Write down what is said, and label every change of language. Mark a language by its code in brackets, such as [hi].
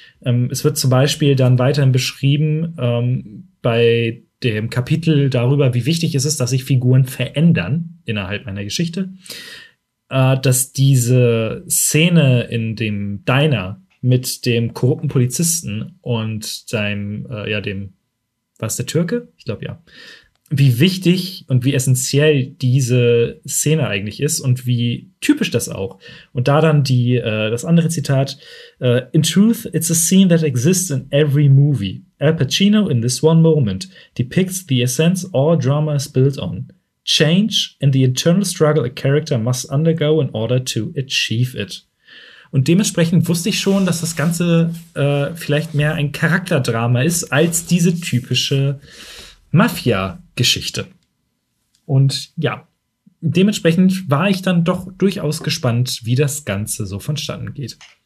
[de] Es wird zum Beispiel dann weiterhin beschrieben bei dem Kapitel darüber, wie wichtig es ist, dass sich Figuren verändern innerhalb meiner Geschichte, dass diese Szene in dem Diner mit dem korrupten Polizisten und seinem, dem, war es der Türke? Ich glaube, ja. Wie wichtig und wie essentiell diese Szene eigentlich ist und wie typisch das auch. Und da dann das andere Zitat. [en] In truth, it's a scene that exists in every movie. Al Pacino, in this one moment, depicts the essence all drama is built on. Change and the internal struggle a character must undergo in order to achieve it. [de] Und dementsprechend wusste ich schon, dass das Ganze vielleicht mehr ein Charakterdrama ist als diese typische Mafia-Geschichte. Und ja, dementsprechend war ich dann doch durchaus gespannt, wie das Ganze so vonstatten geht.